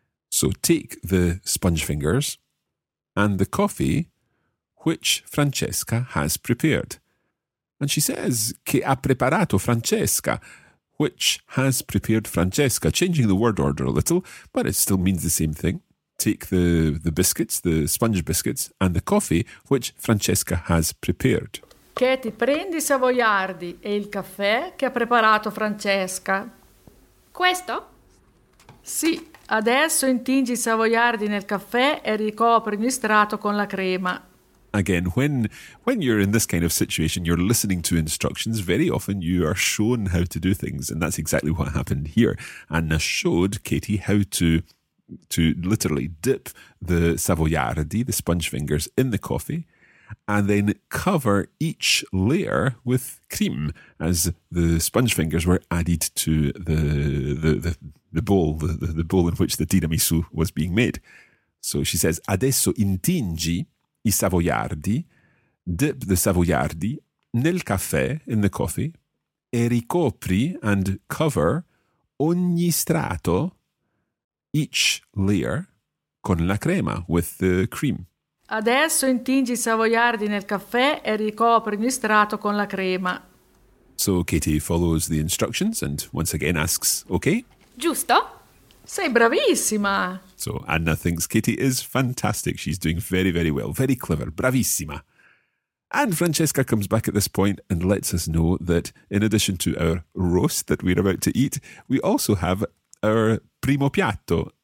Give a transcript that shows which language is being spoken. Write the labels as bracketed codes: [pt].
[en] So take the sponge fingers and the coffee which Francesca has prepared. And she says, [it] che ha preparato Francesca, [en] which has prepared Francesca, changing the word order a little, but it still means the same thing. Take the biscuits, the sponge biscuits, and the coffee which Francesca has prepared. [it] Che ti prendi i savoiardi e il caffè che ha preparato Francesca. Questo? Sì, adesso intingi i savoiardi nel caffè e ricopri ogni strato con la crema. [en] Again, when you're in this kind of situation, you're listening to instructions, very often you are shown how to do things, and that's exactly what happened here. Anna showed Katie how to literally dip the savoiardi, the sponge fingers, in the coffee, and then cover each layer with cream as the sponge fingers were added to the bowl in which the tiramisu was being made. So she says, [it] adesso intingi i savoiardi, [en] dip the savoiardi [it] nel caffè, [en] in the coffee, [it] e ricopri [en] and cover [it] ogni strato, [en] each layer, [it] con la crema, [en] with the cream. [it] Adesso intingi i savoiardi nel caffè e ricopri ogni strato con la crema. [en] So Katie follows the instructions and once again asks, okay? [it] Giusto? Sei bravissima! [en] So Anna thinks Katie is fantastic. She's doing very, very well. Very clever. Bravissima. And Francesca comes back at this point and lets us know that in addition to our roast that we're about to eat, we also have our primo piatto.